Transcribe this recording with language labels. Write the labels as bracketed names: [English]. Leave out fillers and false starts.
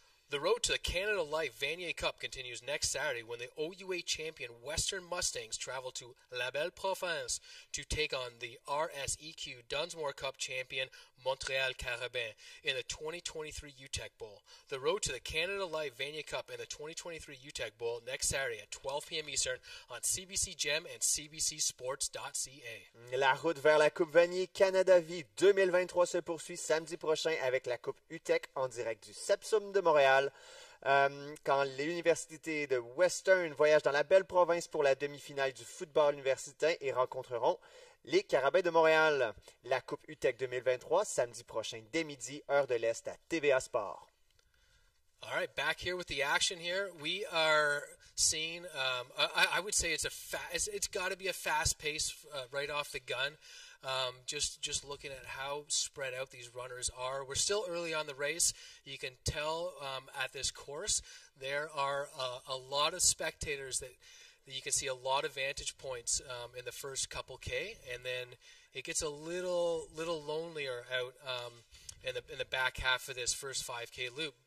[English] The road to the Canada Life Vanier Cup continues next Saturday when the OUA champion Western Mustangs travel to La Belle Province to take on the RSEQ Dunsmore Cup champion Montreal Carabins in the 2023 UTEC Bowl. The road to the Canada Life Vanier Cup and the 2023 UTEC Bowl next Saturday at 12 p.m. Eastern on CBC Gem and cbcsports.ca. [French] La route vers la Coupe Vanier Canada Vie 2023 se poursuit samedi prochain avec la Coupe UTEC en direct du Sepsum de Montréal. Quand l'Université de Western voyage dans la belle province pour la demi-finale du football universitaire et rencontreront les Carabins de Montréal. La Coupe UTEC 2023, samedi prochain, dès midi, heure de l'Est à TVA Sport. [English] All right, back here with the action here. We are seeing, I would say it's got to be a fast pace right off the gun. Just looking at how spread out these runners are. We're still early on the race. You can tell at this course there are a lot of spectators that you can see a lot of vantage points in the first couple K, and then it gets a little lonelier out in the back half of this first 5K loop.